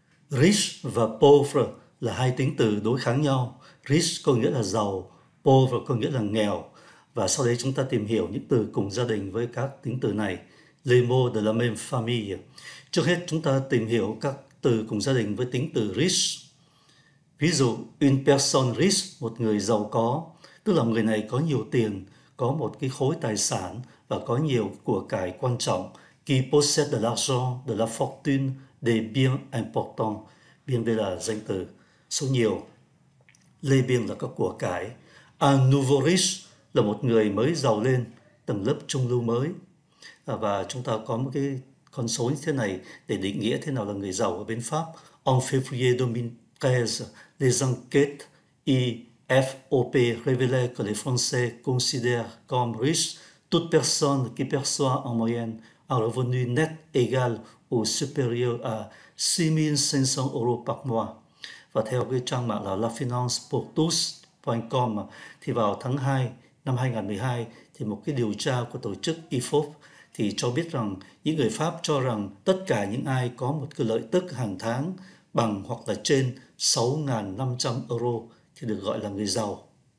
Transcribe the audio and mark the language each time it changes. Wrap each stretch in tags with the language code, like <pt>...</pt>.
<vi>Rich và poor là hai tính từ đối kháng nhau. Rich có nghĩa là giàu, poor có nghĩa là nghèo. Và sau đây chúng ta tìm hiểu những từ cùng gia đình với các tính từ này.</vi> <fr>Les mots de la même famille.</fr> <vi>Trước hết chúng ta tìm hiểu các từ cùng gia đình với tính từ rich. Ví dụ,</vi> <fr>une personne riche,</fr> <vi>một người giàu có, tức là người này có nhiều tiền, có một cái khối tài sản và có nhiều của cải quan trọng.</vi> <fr>Qui possède de l'argent, de la fortune, des biens importants.</fr> <vi>Bien đây là danh từ, số nhiều. Les biens là các của cải.</vi> <fr>Un nouveau riche</fr> <vi>là một người mới giàu lên, tầng lớp trung lưu mới. Và chúng ta có một cái con số như thế này để định nghĩa thế nào là người giàu ở bên Pháp.</vi> <fr>En février 2013, les enquêtes IFOP révélaient que les Français considèrent comme riche toute personne qui perçoit en moyenne un revenu net égal ou supérieur à 6500 euros par mois.</fr> <vi>Và theo cái trang mạng là lafinancepourtous.com thì vào tháng 2 năm 2012 thì một cái điều tra của tổ chức IFOP thì cho biết rằng những người Pháp cho rằng tất cả những ai có một cái lợi tức hàng tháng bằng hoặc là trên 6.500 euro thì được gọi là người giàu.</vi>